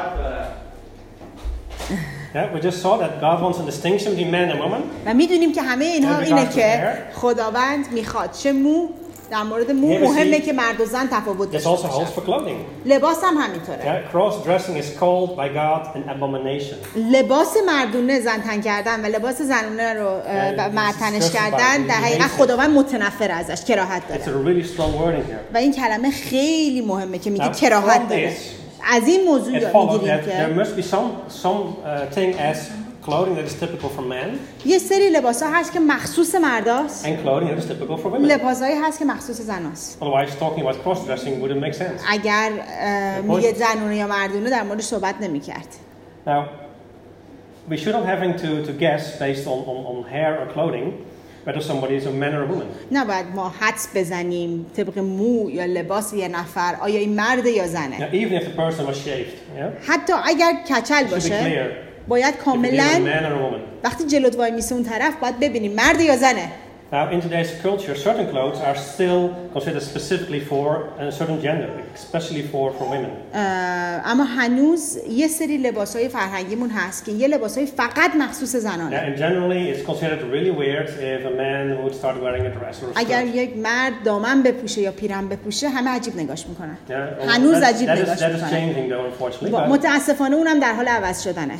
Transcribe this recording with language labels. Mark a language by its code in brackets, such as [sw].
[en] Yeah, we just saw that God wants a distinction between man and woman. [fa] و می‌دونیم که همه اینها اینه که خداوند می‌خواد چه مو در مورد مو مهمه که مرد و زن تفاوت داشته. [en] This also holds for clothing. [fa] لباس هم همینطوره. [en] Yeah, cross-dressing is called by God an abomination. [fa] لباس مردونه زن تن کردن و لباس زنونه رو مرد تنش کردن در حقیقت خداوند متنفر ازش، کراهت داره. [en] It's a really strong word in here. [fa] و این کلمه خیلی مهمه که میگه کراهت داره. از این موضوع یاد میگیریم که [en] there must be something as clothing that is typical for men. [fa] یه سری لباس‌ها هست که مخصوص مرداست. [en] And clothing that is typical for women. [fa] لباس‌هایی هست که مخصوص زناست. [en] Otherwise, talking about cross-dressing wouldn't make sense. [fa] اگر میگه زنونه یا مردونه در مورد صحبت نمی‌کرد. [en] Now, we shouldn't having to guess based on hair or clothing whether somebody is a man or a woman. [fa] نه باید ما حدس بزنیم طبق مو یا لباس یه نفر آیا این مرد یا زنه. [en] Now, even if the person was shaved, [fa] حتی اگر کچل باشه. باید کاملا وقتی جلوت وای میسه اون طرف باید ببینیم مرد یا زنه. [en] Now, in today's culture, certain clothes are still considered specifically for a certain gender, especially for women. [fa] اما هنوز یه سری لباسای فرهنگیمون هست که یه لباسای فقط مخصوص زنانه. [en] And generally, it's considered really weird if a man would start wearing a dress or a skirt. [fa] اگر یک مرد دامن بپوشه یا پیرهن بپوشه، همه عجیب نگاش میکنن. [en] Yeah. [fa] هنوز عجیب نگاش میکنن. [en] That is changing, though, unfortunately. [fa] But متاسفانه اونم در حال عوض شدنه.